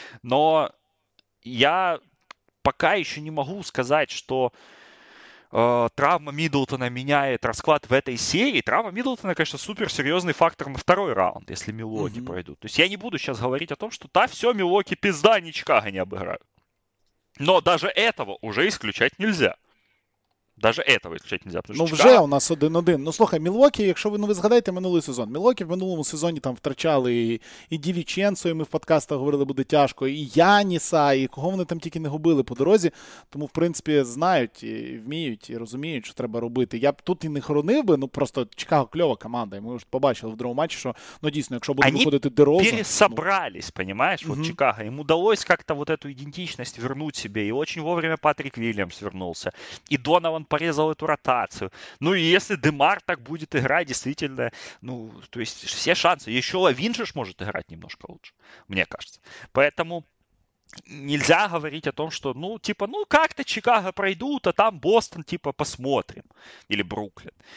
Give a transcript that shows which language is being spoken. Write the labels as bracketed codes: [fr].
[ru] Но я пока еще не могу сказать, что травма Миддлтона меняет расклад в этой серии. Травма Миддлтона, конечно, суперсерьезный фактор на второй раунд, если Милуоки пройдут. То есть я не буду сейчас говорить о том, что да, все, Милуоки пизда, ни Чикаго не обыграют. Но даже этого уже исключать нельзя. Даже этого исключать нельзя. [uk] Ну, вже у нас 1-1. Ну, слухай, Мілвокі, якщо ви згадаєте минулий сезон, Мілвокі в минулому сезоні там втрачали і Дівіченцо, і ми в подкастах говорили, буде тяжко, і Яніса, і кого вони там тільки не губили по дорозі. Тому, в принципі, знають, і вміють, і розуміють, що треба робити. Я б тут і не хоронив би, ну, просто Чикаго кльова команда. І ми вже побачили в другому матчі, що, ну, дійсно, якщо буде виходити Дерозан... Вони пересобрались, ну... понимаєш, от Чикаго. [ru] Їм удалось как-то вот эту идентичность вернуть себе. І очень вовремя Патрик Вільямс вернулся. І Донован порезал эту ротацию. Ну и если Демар так будет играть, действительно, ну, то есть все шансы. Еще Лавин же может играть немножко лучше, мне кажется. Поэтому нельзя говорить о том, что, ну, типа, ну, как-то Чикаго пройдут, а там Бостон, типа, посмотрим. Или Бруклин.